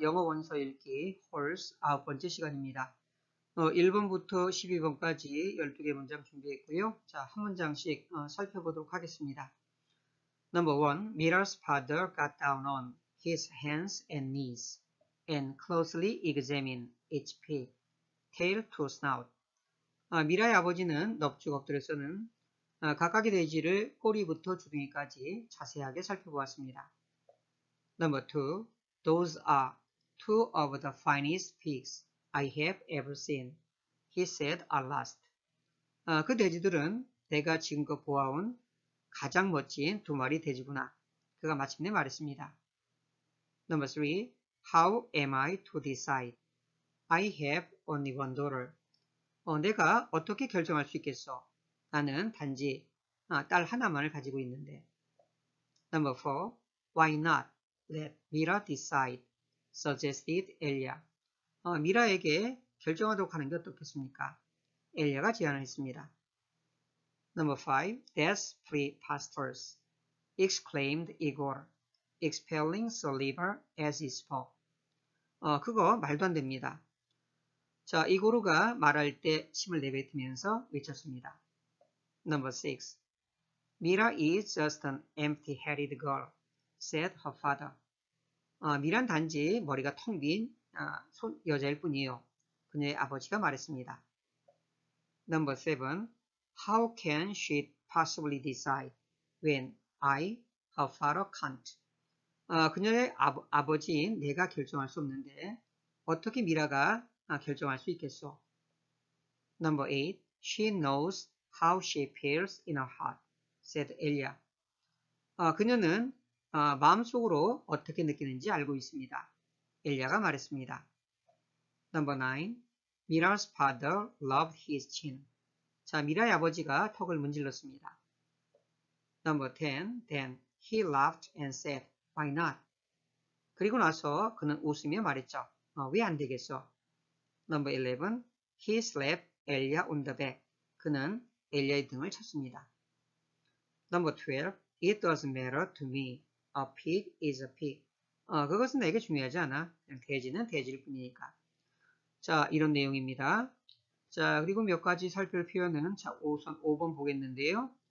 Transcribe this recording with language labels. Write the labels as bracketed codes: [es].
[ko] 영어 원서 읽기 홀스 아홉 번째 시간입니다. 1번부터 12번까지 12개 문장 준비했고요. 자, 한 문장씩 살펴보도록 하겠습니다. [en] Number one, Mira's father got down on his hands and knees and closely examined each pig, tail to snout. [ko] 미라의 아버지는 넙죽엎드려서는 각각의 돼지를 꼬리부터 주둥이까지 자세하게 살펴보았습니다. [en] Number two, those are two of the finest pigs I have ever seen, he said at last. [ko] 그 돼지들은 내가 지금껏 보아온 가장 멋진 두 마리 돼지구나. 그가 마침내 말했습니다. [en] Number three, how am I to decide? I have only one daughter. [ko] 내가 어떻게 결정할 수 있겠어? 나는 단지 딸 하나만을 가지고 있는데. [en] Number four, why not? Let Mira decide, suggested Elia. [ko] 미라에게 결정하도록 하는 게 어떻겠습니까? 엘리아가 제안을 했습니다. [en] Number five, that's preposterous, exclaimed Igor, expelling saliva as he spoke. [ko] 그거 말도 안 됩니다. 자, 이고르가 말할 때 침을 내뱉으면서 외쳤습니다. [en] Number six, Mira is just an empty-headed girl, said her father. [ko] 미란 단지 머리가 텅 빈 여자일 뿐이요. 그녀의 아버지가 말했습니다. [en] Number seven, how can she possibly decide when I, her father, can't? [ko] 그녀의 아버지인 내가 결정할 수 없는데 어떻게 미라가 결정할 수 있겠소? [en] Number eight, she knows how she feels in her heart, said Elia. [ko] 그녀는 마음속으로 어떻게 느끼는지 알고 있습니다. 엘리아가 말했습니다. [en] Number nine, Mira's father loved his chin. [ko] 자, 미라의 아버지가 턱을 문질렀습니다. [en] Number ten, then he laughed and said, why not? [ko] 그리고 나서 그는 웃으며 말했죠. 왜 안 되겠어? [en] Number eleven, he slapped Elia on the back. [ko] 그는 엘리아의 등을 쳤습니다. [en] Number twelve, it doesn't matter to me. A pig is a pig. [ko] 그것은 내게 중요하지 않아. 그냥 돼지는 돼지일 뿐이니까. 자, 이런 내용입니다. 자, 그리고 몇 가지 살펴볼 표현은 자, 우선 5번 보겠는데요.